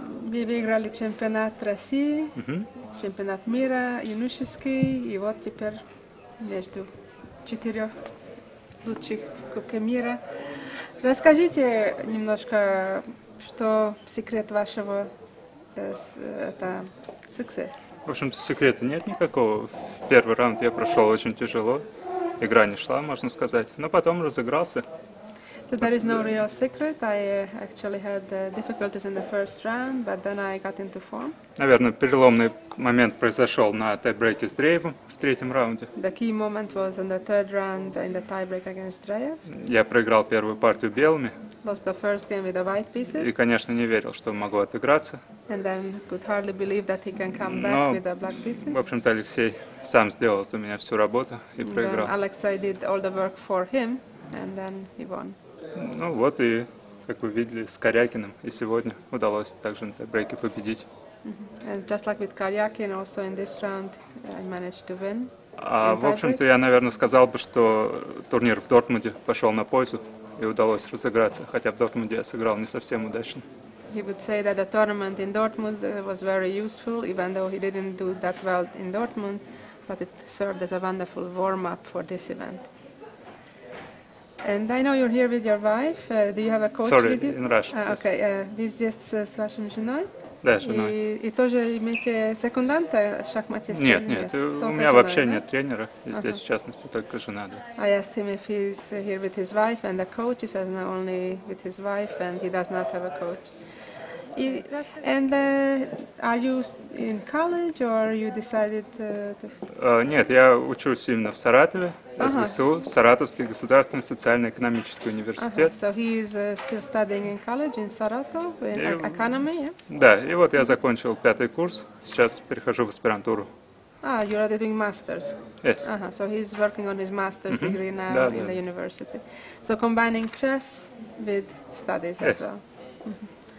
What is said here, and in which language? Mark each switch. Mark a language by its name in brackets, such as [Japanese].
[Russian] Вы выиграли чемпионат России, чемпионат мира, юношеский, и вот теперь между четырех лучших кубков мира. Расскажите немножко, что секрет вашего успеха? В общем, секрета нет никакого. В первый раунд я прошел очень тяжело. Игра не шла, можно сказать. Но потом разыгрался. [English] So there is no real secret. I actually had difficulties in the first round, but then I got into form. [Russian] Наверное, переломный момент произошел на тайбрейке с Дрейвом в третьем раунде. [English] The key moment was in the third round in the tiebreak against Dreyev. [Russian] Я проиграл первую партию белыми. [English] Lost the first game with the white pieces. [Russian] И, конечно, не верил, что могу отыграться. [English] And then could hardly believe that he can come back with the black pieces. [Russian] В общем-то, Алексей сам сделал за меня всю работу и проиграл. [English] Alexei did all the work for him, and then he won. [Russian] Ну вот и, как вы видели, с Карякиным и сегодня удалось также на тайбрейке победить. [English] Just like with Karjakin, also in this round I managed to win. [Russian] А в общем-то я, наверное, сказал бы, что турнир в Дортмунде пошел на пользу и удалось разыграться, хотя в Дортмунде я сыграл не совсем удачно. [English] He would say that the tournament in Dortmund was very useful, even though he didn't do that well in Dortmund, but it served as a wonderful warm-up for this event. And I know you're here with your wife. Do you have a coach Sorry, with you? In Russia, [Russian] okay, вы здесь с вашей женой? Да, женой. И тоже имеете секунданта шахматиста? Нет, нет, у меня вообще нет тренера, здесь в частности только жена. [English] I asked him if he's here with his wife and the coach. He says no, only with his wife, and he does not have a coach. And are you in college or you decided to... [Russian] Нет, я учусь именно в Саратове, СГСУ, Саратовский государственный социально-экономический университет. [English] So he is still studying in college in Saratov, in economy, yes? [Russian] Да, и вот я закончил пятый курс, сейчас перехожу в аспирантуру. [English] Ah, you're already doing master's? Yes. Uh-huh. So he's working on his master's degree now in the university. So combining chess with studies as well.